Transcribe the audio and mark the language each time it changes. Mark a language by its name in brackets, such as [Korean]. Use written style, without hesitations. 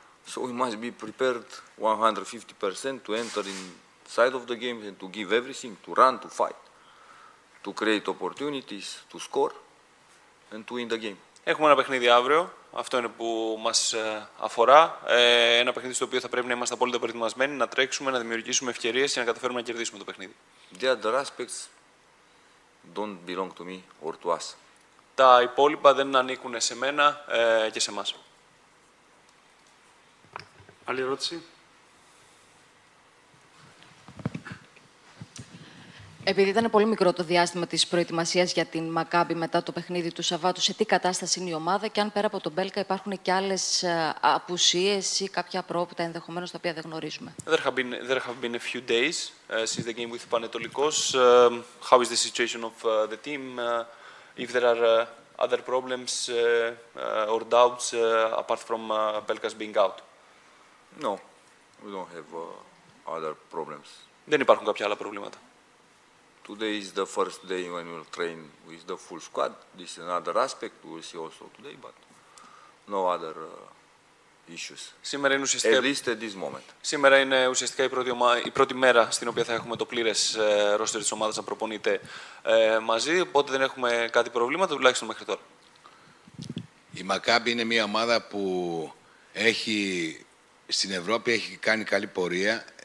[English] So we must be prepared 150% to enter inside of the game and to give everything, to run, to fight, to create opportunities, to score and to win the game. [Greek] Έχουμε ένα παιχνίδι αύριο. Αυτό είναι που μας αφορά. Ένα παιχνίδι στο οποίο θα πρέπει να είμαστε απόλυτα προετοιμασμένοι, να τρέξουμε, να δημιουργήσουμε ευκαιρίες και να καταφέρουμε να κερδίσουμε το παιχνίδι. [English] The other aspects don't belong to me or to us. [Greek] Τα υπόλοιπα δεν ανήκουν σε μένα και σε εμάς. Άλλη ερώτηση. Επειδή ήταν πολύ μικρό το διάστημα της προετοιμασίας για την Μακάμπη μετά το παιχνίδι του Σαββάτου, σε τι κατάσταση είναι η ομάδα και αν πέρα από τον Μπέλκα υπάρχουν και άλλες απουσίες ή κάποια πρόοπτα ενδεχομένως τα οποία δεν γνωρίζουμε. [English] There have been a few days since the game with Panetolikos. How is the situation of the team? If there are other problems or doubts apart from Belka's being out? No, we don't have other problems. [Greek] Δεν υπάρχουν κάποια άλλα προβλήματα. [English] Today is the first day when we'll train with the full squad. This is another aspect we'll see also today, but no other issues. [Greek] Σήμερα είναι ουσιαστικά... [English] At least at this moment. [Greek] Σήμερα είναι ουσιαστικά η πρώτη μέρα στην οποία θα έχουμε το πλήρες roster της ομάδας να προπονείται μαζί, οπότε δεν έχουμε κάτι προβλήματα, τουλάχιστον μέχρι τώρα. Η Maccabi είναι μια ομάδα που έχει στην Ευρώπη έχει κάνει καλή πορεία.